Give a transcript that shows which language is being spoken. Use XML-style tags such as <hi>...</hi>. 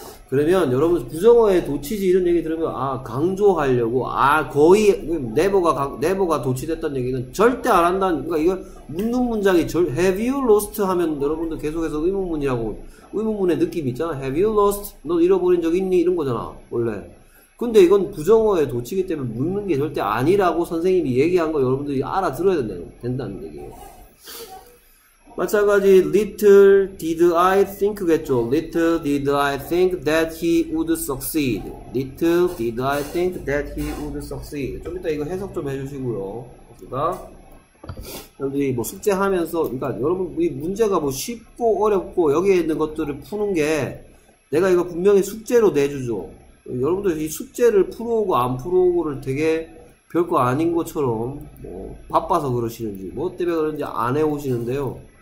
<ko>그러면 여러분 부정어에 도치지 이런 얘기 들으면 아 강조하려고 아 거의 네버가 도치됐다는 얘기는 절대 안 한다는 그러니까 이거 묻는 문장이 절</ko> <en>Have you lost</en> <ko>하면 여러분들 계속해서 의문문이라고 의문문의 느낌이 있잖아 Have you lost 너 잃어버린 적 있니 이런 거잖아 원래 근데 이건 부정어에 도치기 때문에 묻는 게 절대 아니라고 선생님이 얘기한 거 여러분들이 알아들어야 된다는 얘기예요. 마찬가지,</ko> <en>little did I think겠죠. little did I think that he would succeed. little did I think that he would succeed.</en> <ko>좀 이따 이거 해석 좀 해주시고요. 그러니까 여러분들이 뭐 숙제하면서, 그러니까 여러분, 이 문제가 뭐 쉽고 어렵고 여기에 있는 것들을 푸는 게 내가 이거 분명히 숙제로 내주죠. 여러분들 이 숙제를 풀어오고 안 풀어오고를 되게 별거 아닌 것처럼 뭐 바빠서 그러시는지, 뭐 때문에 그런지 안 해오시는데요.</ko>